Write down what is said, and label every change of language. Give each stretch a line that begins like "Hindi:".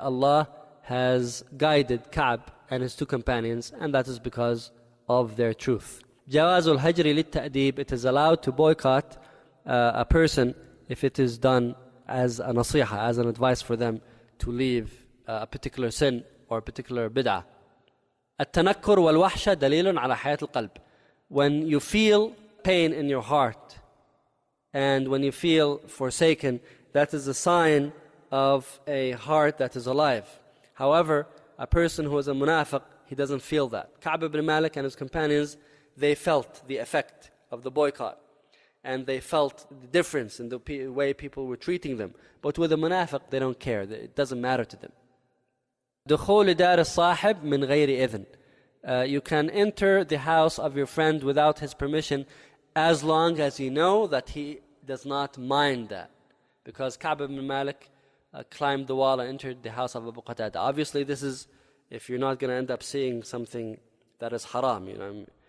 English: Allah has guided Ka'b and his two companions, and that is because of their truth.
Arabic: جواز الهجر للتأديب.
English: It is allowed to boycott a person if it is done as a nasiha, as an advice for them to leave a particular sin or a particular bid'ah.
Arabic: التنكر والوحشة دليل على حياة القلب.
English: When you feel pain in your heart and when you feel forsaken, that is a sign of a heart that is alive. However, a person who is a munafiq, he doesn't feel that. Ka'b ibn Malik and his companions, they felt the effect of the boycott. And they felt the difference in the way people were treating them. But with a munafiq, they don't care. It doesn't matter to them.
Arabic: دخول دار الصاحب من غير إذن.
English: You can enter the house of your friend without his permission as long as you know that he does not mind that. Because Ka'b ibn Malik climbed the wall and entered the house of Abu Qatada. Obviously, this is if you're not going to end up seeing something that is haram, you know.